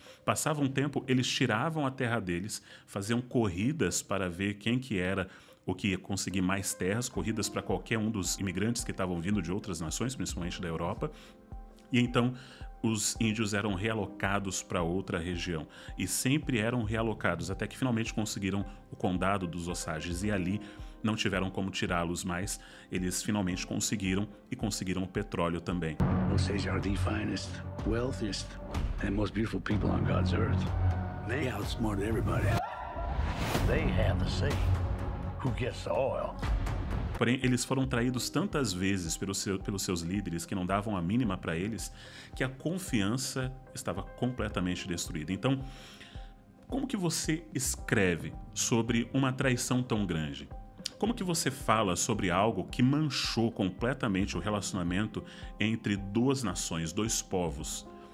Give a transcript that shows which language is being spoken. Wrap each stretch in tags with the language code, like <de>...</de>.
<pt>Passava um tempo, eles tiravam a terra deles, faziam corridas para ver quem que era o que ia conseguir mais terras, corridas para qualquer um dos imigrantes que estavam vindo de outras nações, principalmente da Europa. E então, os índios eram realocados para outra região e sempre eram realocados até que finalmente conseguiram o condado dos Osages, e ali não tiveram como tirá-los mais. Eles finalmente conseguiram, e conseguiram o petróleo também.</pt> <en>Osages are the finest, wealthiest and most beautiful people on God's earth. They outsmart everybody. They have the say. Who gets the oil?</en> <pt>Porém, eles foram traídos tantas vezes pelos seus líderes que não davam a mínima para eles, que a confiança estava completamente destruída. Então, como que você escreve sobre uma traição tão grande? Como que você fala sobre algo que manchou completamente o relacionamento entre duas nações, dois povos?</pt>